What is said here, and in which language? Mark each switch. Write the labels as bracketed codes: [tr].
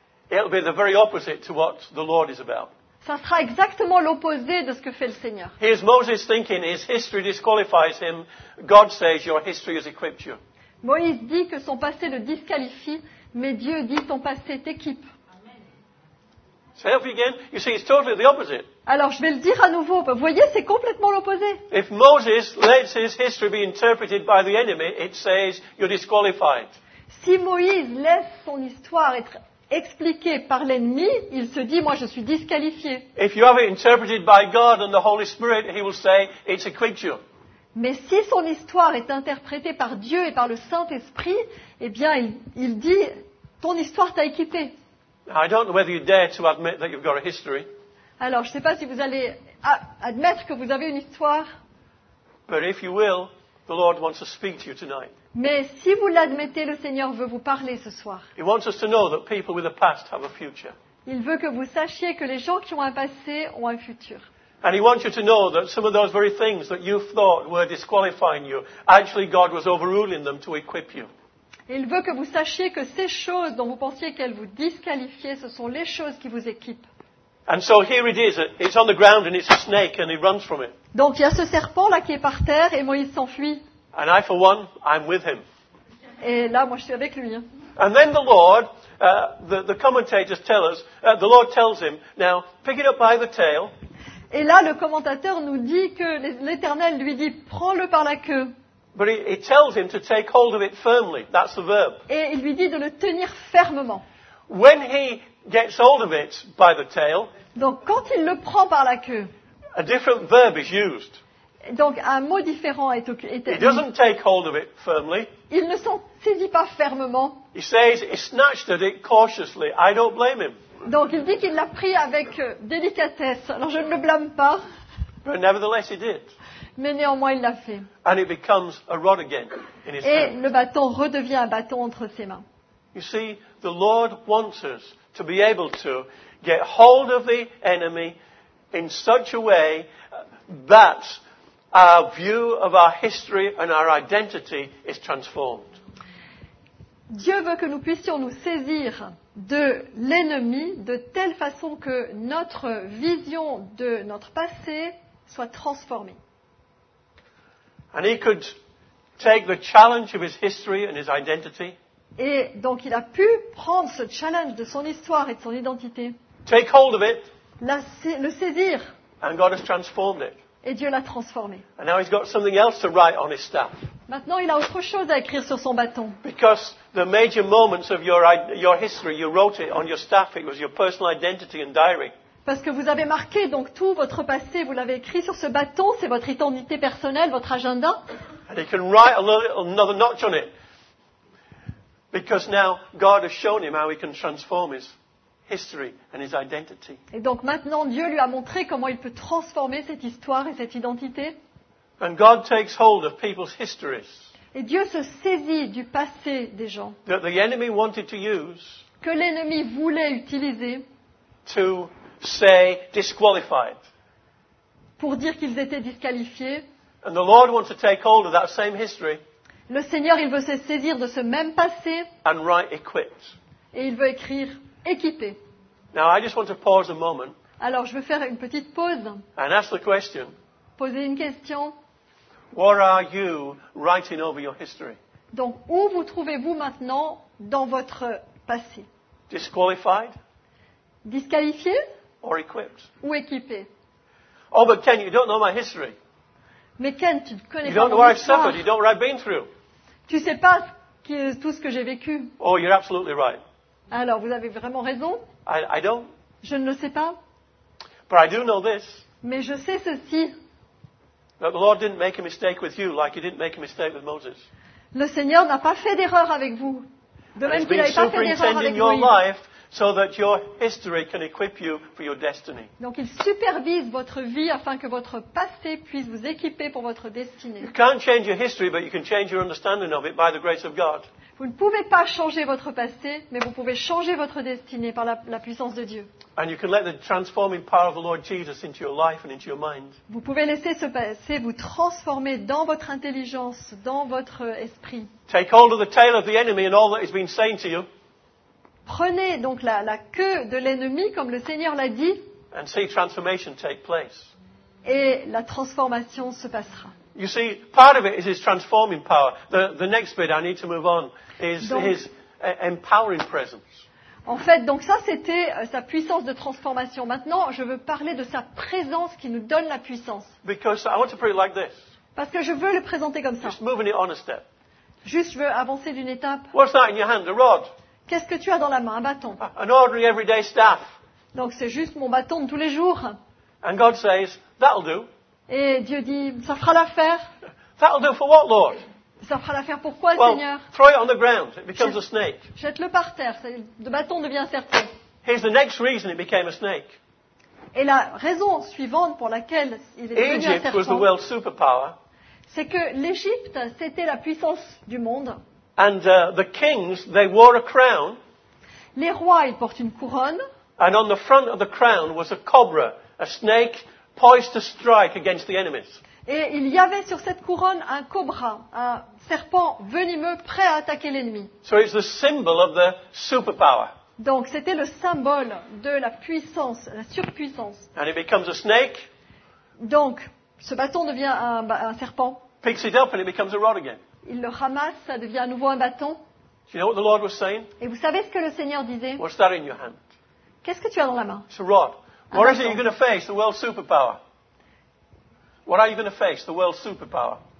[en] it'll be the very opposite to what the Lord is about. [fr] Ça sera exactement l'opposé de ce que fait le Seigneur. [en] Here's Moses thinking his history disqualifies him. God says your history has equipped you. [fr] Moïse dit que son passé le disqualifie, mais Dieu dit ton passé t'équipe. [en] Say it again. You see, it's totally the opposite. [fr] Alors, je vais le dire à nouveau. Vous voyez, c'est complètement l'opposé. [en] If Moses lets his history be interpreted by the enemy, it says you're disqualified. [fr] Si Moïse laisse son histoire être expliquée par l'ennemi, il se dit, moi, je suis disqualifié. [en] If you have it interpreted by God and the Holy Spirit, he will say it's equipped you. [fr] Mais si son histoire est interprétée par Dieu et par le Saint-Esprit, eh bien, il dit, ton histoire t'a équipé. [en] I don't know whether you dare to admit that you've got a history. [fr] Alors, je ne sais pas si vous allez admettre que vous avez une histoire. [en] But if you will, the Lord wants to speak to you tonight. [fr] Mais si vous l'admettez, le Seigneur veut vous parler ce soir. [en] He wants us to know that people with a past have a future. [fr] Il veut que vous sachiez que les gens qui ont un passé ont un futur. [en] And he wants you to know that some of those very things that you thought were disqualifying you, actually God was overruling them to equip you. [fr] Il veut que vous sachiez que ces choses dont vous pensiez qu'elles vous disqualifiaient, ce sont les choses qui vous équipent. [en] And so here it is. It's on the ground and it's a snake and he runs from it. [fr] Donc il y a ce serpent là qui est par terre et Moïse s'enfuit. [en] And I for one, I'm with him. [fr] Et là moi je suis avec lui. [en] And then the Lord, the commentators tell us, the Lord tells him, now pick it up by the tail. [fr] Et là le commentateur nous dit que l'Éternel lui dit prends-le par la queue. [en] But he tells him to take hold of it firmly. That's the verb. [fr] Et il lui dit de le tenir fermement. [en] When he gets hold of it by the tail. [fr] Donc quand il le prend par la queue. [en] A different verb is used. [fr] Donc un mot différent est utilisé. [en] He doesn't take hold of it firmly. [fr] Il ne s'en saisit pas fermement. [en] He says he snatched at it cautiously. I don't blame him. [fr] Donc il dit qu'il l'a pris avec délicatesse. Alors je ne le blâme pas. [en] But nevertheless he did. [fr] Mais néanmoins il l'a fait. [en] And it becomes a rod again in his [fr] Et [en] hand. [fr] Le bâton redevient un bâton entre ses mains. [en] You see, the Lord wants us to be able to get hold of the enemy in such a way that our view of our history and our identity is transformed. [fr] Dieu veut que nous puissions nous saisir de l'ennemi de telle façon que notre vision de notre passé soit transformée. [en] And he could take the challenge of his history and his identity. [fr] Et donc il a pu prendre ce challenge de son histoire et de son identité. [en] Take hold of it. [fr] Le saisir. [en] And God has transformed it. [fr] Et Dieu l'a transformé. [en] And now he's got something else to write on his staff. [fr] Maintenant, il a autre chose à écrire sur son bâton. [en] Because the major moments of your history, you wrote it on your staff. It was your personal identity and diary. [fr] Parce que vous avez marqué donc tout votre passé, vous l'avez écrit sur ce bâton, c'est votre identité personnelle, votre agenda. [en] And he can write another notch on it. Because now God has shown him how he can transform his history and his identity. [fr] Et donc maintenant Dieu lui a montré comment il peut transformer cette histoire et cette identité. [en] And God takes hold of people's histories. [fr] Et Dieu se saisit du passé des gens. [en] That the enemy wanted to use. [fr] Que l'ennemi voulait utiliser. [en] To say disqualified. [fr] Pour dire qu'ils étaient disqualifiés. [en] And the Lord wants to take hold of that same history. [fr] Le Seigneur, il veut se saisir de ce même passé. [en] And write equipped. [fr] Et il veut écrire équipé. [en] Now I just want to pause a moment. [fr] Alors je veux faire une petite pause. [en] And ask the question. [fr] Poser une question. [en] What are you writing over your history? [fr] Donc où vous trouvez-vous maintenant dans votre passé? [en] Disqualified? [fr] Disqualifié? [en] Or equipped? [fr] Ou équipé? [en] Oh, but Ken, you don't know my history. [fr] Mais Ken, tu ne connais [en] you don't [fr] pas mon [en] what [fr] histoire. [en] I've suffered. You don't know what I've been through. [fr] Tu ne sais pas tout ce que j'ai vécu. [en] Oh, you're absolutely right. [fr] Alors, vous avez vraiment raison. [en] I don't. [fr] Je ne le sais pas. [en] But I do know this. [fr] Mais je sais ceci. [en] That the Lord didn't make a mistake with you like he didn't make a mistake with Moses. [fr] Le Seigneur n'a pas fait d'erreur avec vous. De même qu'il n'avait pas fait d'erreur avec [en] superintending your life so that your history can equip you for your destiny. [fr] Donc il supervise votre vie afin que votre passé puisse vous équiper pour votre destinée. [en] You can't change your history but you can change your understanding of it by the grace of God. [fr] Vous ne pouvez pas changer votre passé mais vous pouvez changer votre destinée par la puissance de Dieu. [en] And you can let the transforming power of the Lord Jesus into your life and into your mind. [fr] Vous pouvez laisser ce passé vous transformer dans votre intelligence, dans votre esprit. [en] Take hold of the tail of the enemy and all that he's been saying to you. [fr] Prenez donc la queue de l'ennemi, comme le Seigneur l'a dit. [en] And see transformation take place. [fr] Et la transformation se passera. [en] You see, part of it is his transforming power. The next bit I need to move on is [fr] donc, [en] his empowering presence. [fr] En fait, donc ça, c'était sa puissance de transformation. Maintenant, je veux parler de sa présence qui nous donne la puissance. [en] Because I want to put it like this. [fr] Parce que je veux le présenter comme ça. [en] Just moving it on a step. [fr] Juste, je veux avancer d'une étape. [en] What's that in your hand? A rod. [fr] Qu'est-ce que tu as dans la main? Un bâton. [en] An ordinary everyday staff. [fr] Donc, c'est juste mon bâton de tous les jours. [en] And God says, that'll do. [fr] Et Dieu dit, ça fera l'affaire. [en] That'll do for what, Lord? [fr] Ça fera l'affaire pour quoi, [en] well, [fr] Seigneur? [en] Throw it on the ground. It becomes a snake. [fr] Jette-le par terre. Le bâton devient serpent. [en] Here's the next reason it became a snake. [fr] Et la raison suivante pour laquelle il est devenu un serpent. [en] Egypt was the world superpower. [fr] C'est que l'Égypte, c'était la puissance du monde. [en] And the kings, they wore a crown. [fr] Les rois, ils portent une couronne. [en] And on the front of the crown was a cobra, a snake poised to strike against the enemies. [fr] Et il y avait sur cette couronne un cobra, un serpent venimeux prêt à attaquer l'ennemi. [en] So it's the symbol of the superpower. [fr] Donc c'était le symbole de la puissance, la surpuissance. [en] And it becomes a snake. [fr] Donc ce bâton devient un serpent. [en] Picks it up and it becomes a rod again. [fr] Il le ramasse, ça devient à nouveau un bâton. [en] Do you know what the Lord was saying? [fr] Et vous savez ce que le Seigneur disait? [en] What's that in your hand? [fr] Qu'est-ce que tu as dans la main? [en] It's a rod. What is it you're going to face, the world superpower? What are you going to face, the world superpower?